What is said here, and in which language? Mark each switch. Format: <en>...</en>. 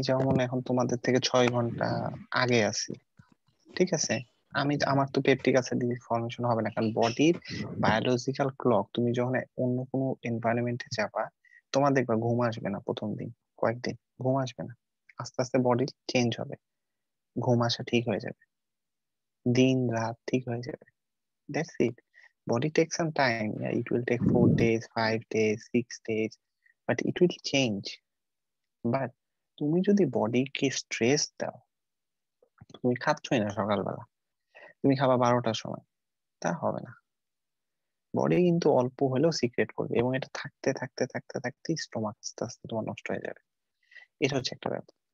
<bn>যেমন এখন তোমাদের থেকে 6 ঘন্টা আগে আছি ঠিক আছে আমি আমার তো পেপটিক আলসার ডিজিজ ফর্মেশন হবে না কারণ বডির বায়োলজিক্যাল ক্লক তুমি যখন অন্য কোনো এনভায়রনমেন্টে যাবা তোমার দেখবা ঘুম আসবে না প্রথম দিন কয়েকদিন ঘুম আসবে না আস্তে আস্তে বডি চেঞ্জ হবে ঘুম আসা ঠিক হয়ে যাবে দিন রাত ঠিক হয়ে যাবে that's it</bn> <en>body takes some time. Yeah, it will take 4 days, 5 days, 6 days, but it will change.</en> <bn>But তুমি যদি body কে stress দাও, তুমি খাবছো না সকালবেলা, তুমি খাবা 12টার সময়, তা হবে না। Body কিন্তু অল্প হলেও secret করবে এবং এটা থাকতে থাকতে থাকতে থাকতে stomach আস্তে আস্তে তোমার নষ্ট হয়ে যাবে। এটা হচ্ছে একটা ব্যাপার।</bn>